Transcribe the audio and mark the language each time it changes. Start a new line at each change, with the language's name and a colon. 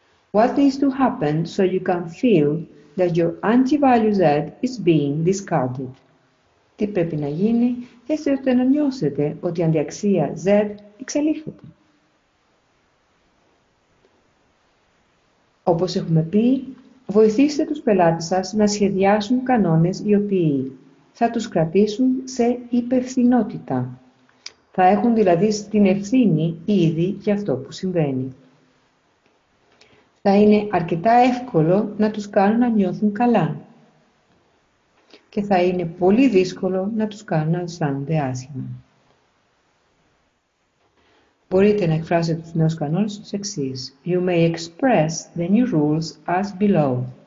English: What needs to happen so you can feel that your anti-value Z is being discarded?
Greek: Τι πρέπει να γίνει έτσι ώστε να νιώσετε ότι η αντιαξία Z εξαλείφεται? Όπως έχουμε πει, βοηθήστε τους πελάτες σας να σχεδιάσουν κανόνες οι οποίοι θα τους κρατήσουν σε υπευθυνότητα. Θα έχουν δηλαδή την ευθύνη ήδη για αυτό που συμβαίνει. Θα είναι αρκετά εύκολο να τους κάνουν να νιώθουν καλά. Και θα είναι πολύ δύσκολο να τους κάνουν να αισθάνονται άσχημα. Μπορείτε να εκφράσετε τους νέους κανόνες ως εξής.
English: You may express the new rules as below.